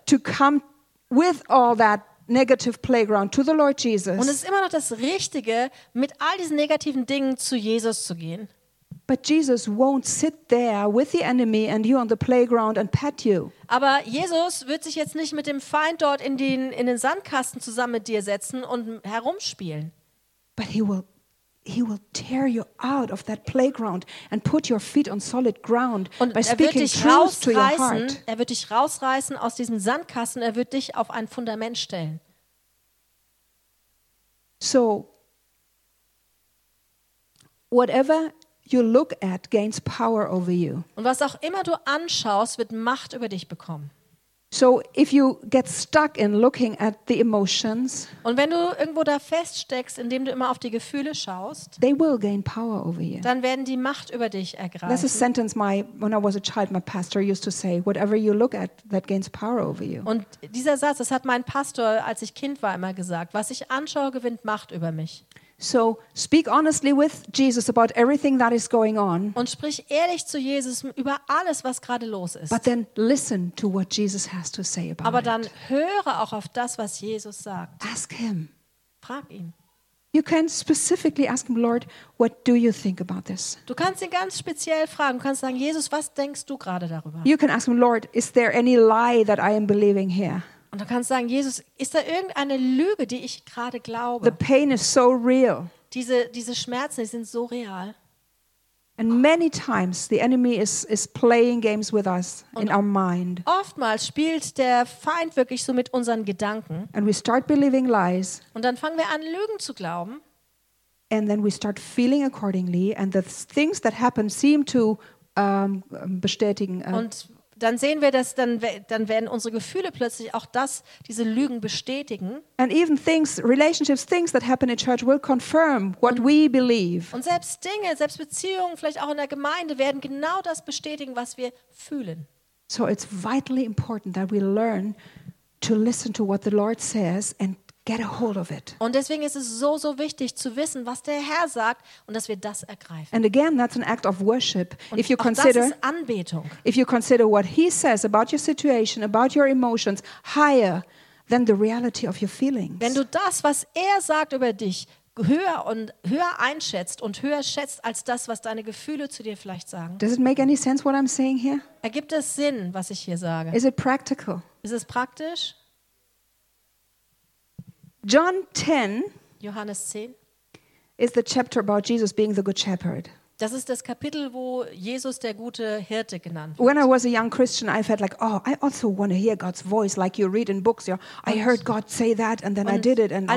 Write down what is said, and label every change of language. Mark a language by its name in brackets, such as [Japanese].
[English] To come with all that negative playground to the Lord Jesus. [German] Und es ist immer noch das Richtige, mit all diesen negativen Dingen zu Jesus zu gehen. [English] But Jesus won't sit there with the enemy and you on the playground and pat you. [German] Aber Jesus wird sich jetzt nicht mit dem Feind dort in den Sandkasten zusammen mit dir setzen und herumspielen. [English] But he will tear you out of that playground and put your feet on solid ground by speaking truth to your heart. [German] Er wird dich rausreißen aus diesem Sandkasten, er wird dich auf ein Fundament stellen. [English] So, whatever you look at gains power over you. [German] Und was auch immer du anschaust, wird Macht über dich bekommen. [English] So if you get stuck in looking at the emotions, [German] und wenn du irgendwo da feststeckst, indem du immer auf die Gefühle schaust, [English] they will gain power over you. [German] Dann werden die Macht über dich ergreifen. [English] That's a sentence when I was a child, my pastor used to say, whatever you look at, that gains power over you. [German] Und dieser Satz, das hat mein Pastor, als ich Kind war, immer gesagt, was ich anschaue, gewinnt Macht über mich. [English] So speak honestly with Jesus about everything that is going on. [German] Und sprich ehrlich zu Jesus über alles, was gerade los ist. [English] But then listen to what Jesus has to say about it. [German] Aber dann höre auch auf das, was Jesus sagt. [English] Ask him. [German] Frag ihn. [English] You can specifically ask him, Lord, what do you think about this? [German] Du kannst ihn ganz speziell fragen. Du kannst sagen, Jesus, was denkst du gerade darüber? [English] You can ask him, Lord, is there any lie that I am believing here? [German] Und du kannst sagen, Jesus, ist da irgendeine Lüge, die ich gerade glaube? [English] The pain is so real. [German] Diese Schmerzen, die sind so real. [English] And many times the enemy is playing games with us in our mind. [German] Oftmals spielt der Feind wirklich so mit unseren Gedanken. [English] And we start believing lies. [German] Und dann fangen wir an, Lügen zu glauben. [English] And then we start feeling accordingly, and the things that happen seem to [German] bestätigen. Dann sehen wir, dass dann werden unsere Gefühle plötzlich auch das, diese Lügen bestätigen. [English] And even things, relationships, things that happen in church will confirm what we believe. [German] Und selbst Dinge, selbst Beziehungen, vielleicht auch in der Gemeinde, werden genau das bestätigen, was wir fühlen. [English] So it's vitally important that we learn to listen to what the Lord says and get a hold of it. [German] Und deswegen ist es so, so wichtig zu wissen, was der Herr sagt und dass wir das ergreifen. [English] And again, that's an act of worship. [German] Und [English] if you consider, [German] auch das ist Anbetung. [English] If you consider what he says about your situation, about your emotions, higher than the reality of your feelings. [German] Wenn du das, was er sagt über dich, höher einschätzt und höher schätzt als das, was deine Gefühle zu dir vielleicht sagen. [English] Does it make any sense what I'm saying here? [German] Ergibt es Sinn, was ich hier sage? [English] Is it practical? [German] Ist es praktisch? [English] John 10. [German] Johannes 10. [English] Is the chapter about Jesus being the good shepherd. [German] Das ist das Kapitel, wo Jesus der gute Hirte genannt wird. [English] When I was a young Christian, I felt like, oh, I also want to hear God's voice, like you read in books. Yeah, I heard God say that, and then I did it, and all.